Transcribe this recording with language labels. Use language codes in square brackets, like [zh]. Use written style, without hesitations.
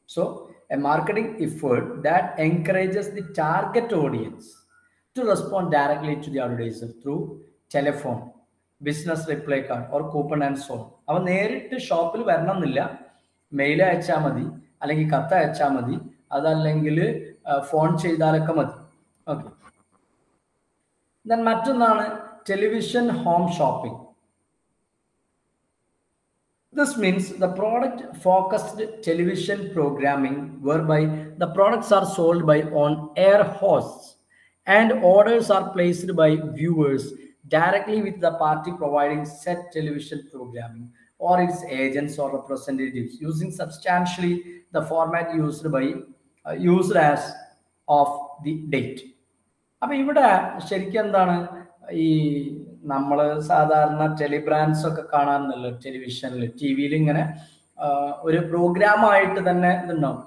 [en] So a marketing effort that encourages the target audience to respond directly to the advertiser through telephone, business reply card or coupon and so on. [ml] അവ നേരിട്ട് ഷോപ്പിൽ വരണം എന്നില്ല, mail അയച്ചാൽ മതി, അല്ലെങ്കിൽ കത്ത് അയച്ചാൽ മതി, അതല്ലെങ്കിൽ ഫോൺ ചെയ്താലൊക്കെ മതി. ഓക്കെ, ദെൻ മറ്റൊന്നാണ് television home shopping. [en] This means the product focused television programming whereby the products are sold by on air hosts and orders are placed by viewers directly with the party providing said television programming or its agents or representatives using substantially the format used by used as of the date. [ml] Appa ivada sherik endana ee നമ്മൾ സാധാരണ ടെലിബ്രാൻഡ്സ് ഒക്കെ കാണാമെന്നുള്ളത് ടെലിവിഷനിൽ, T വിയിൽ ഇങ്ങനെ ഒരു പ്രോഗ്രാമായിട്ട് തന്നെ ഇതുണ്ടാവും.